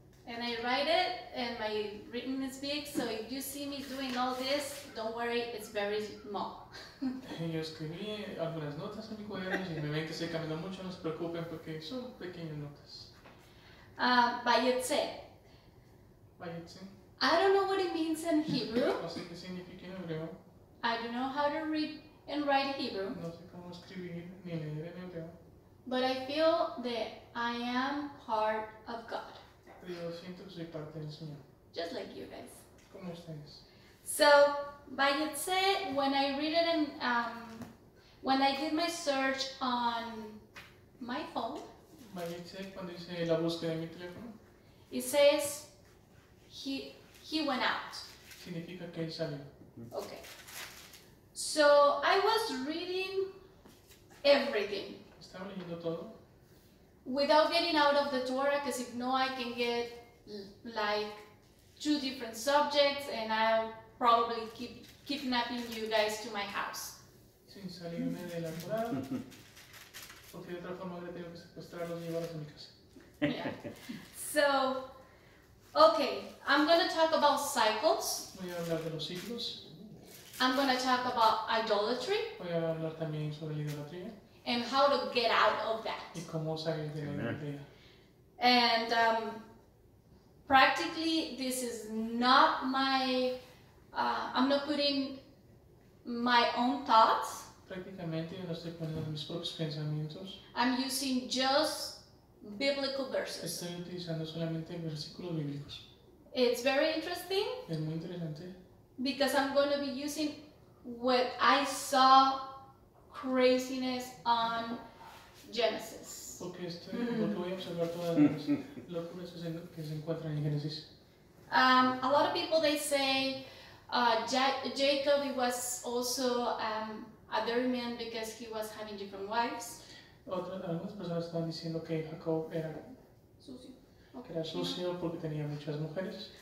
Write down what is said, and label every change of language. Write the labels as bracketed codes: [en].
[en] And I write it, and my written is big, so if you see me doing all this, don't worry, it's very small. [es] Yo escribí algunas notas en mi cuaderno, y me ven que se caminó mucho, no se preocupen porque son pequeñas notas. [he] Vayetze. [en] I don't know what it means in Hebrew. [es] No sé qué significa en hebreo. [en] I don't know how to read and write Hebrew. [es] No sé cómo escribir ni leer en hebreo. [en] But I feel that I am part of God. [es] Yo siento que soy parte del Señor. [en] Just like you guys. [es] ¿Cómo ustedes? [en] So, Vayetze, when I read it in, when I did my search on my phone. [es] Vayetze, cuando hice la búsqueda en mi teléfono. [en] It says, he went out. [es] Significa que él salió. [en] Okay. So, I was reading everything. [es] Estaba leyendo todo. [en] Without getting out of the Torah, because if no, I can get like two different subjects, and I'll probably keep kidnapping you guys to my house. [es] Sin salirme de la Torah, porque de otra forma habría tenido que secuestrarlos y llevarlos a mi casa. [en] Yeah. So, okay, I'm gonna talk about cycles. [es] Voy a hablar de los ciclos. [en] I'm gonna talk about idolatry. [es] Voy a hablar también sobre la idolatría. [en] And how to get out of that. [es] Y cómo salir de la idolatría. [en] And practically, this is not my, I'm not putting my own thoughts. [es] Prácticamente yo no estoy poniendo mis propios pensamientos. [en] I'm using just biblical verses. [es] Estoy utilizando solamente versículos bíblicos. [en] It's very interesting. [es] Es muy interesante. [en] Because I'm going to be using what I saw craziness on Genesis. [es] Porque estoy voy a observar todas las locuras que se encuentran en Genesis. [en] A lot of people they say Jacob he was also a dirty man because he was having different wives. [es] Algunas personas están diciendo que Jacob era sucio. Que era sucio porque tenía muchas mujeres.